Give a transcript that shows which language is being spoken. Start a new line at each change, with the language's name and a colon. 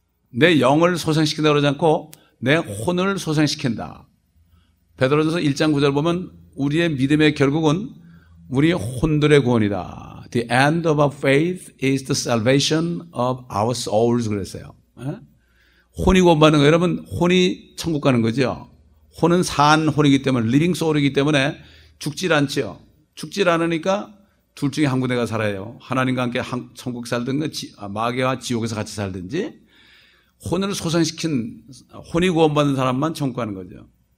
Korean: 내 영을 소생시킨다 그러지 않고, 내 혼을 소생시킨다. 베드로전서 1장 9절 보면, 우리의 믿음의 결국은 우리 혼들의 구원이다.
English: The end of our faith is the salvation of our souls.
Korean: 그랬어요. 에? 혼이 구원받는 거예요. 여러분, 혼이 천국 가는 거죠. 혼은 산 혼이기 때문에,
English: living soul
Korean: 이기 때문에 죽질 않죠. 죽질 않으니까 둘 중에 한 군데가 살아요. 하나님과 함께 천국 살든가 마귀와 지옥에서 같이 살든지 혼을 소생시킨 혼이 구원받은 사람만 천국 가는 거죠.